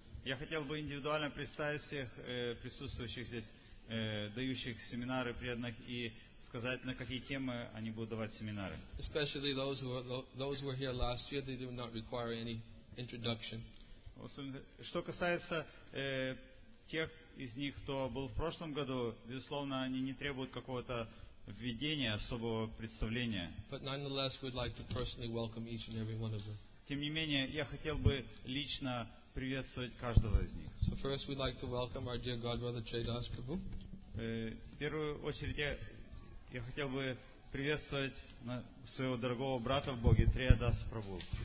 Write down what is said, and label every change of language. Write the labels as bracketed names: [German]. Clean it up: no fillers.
[Russian] Я хотел бы индивидуально представить всех присутствующих здесь, дающих семинары преданных, и сказать, на какие темы они будут давать семинары. [English] Especially those who were here last year, they do not require any introduction. [Russian] Что касается тех из них, кто был в прошлом году, безусловно, они не требуют какого-то введения, особого представления. [English] But nonetheless, we'd like to personally welcome each and every one of them. [Russian] Тем не менее, я хотел бы лично приветствовать каждого из них. [English] So first we'd like to welcome our dear godbrother Jay Das Prabhu. [Russian] В первую очередь я хотел бы приветствовать своего дорогого брата в Боге Трея Дас Прабу.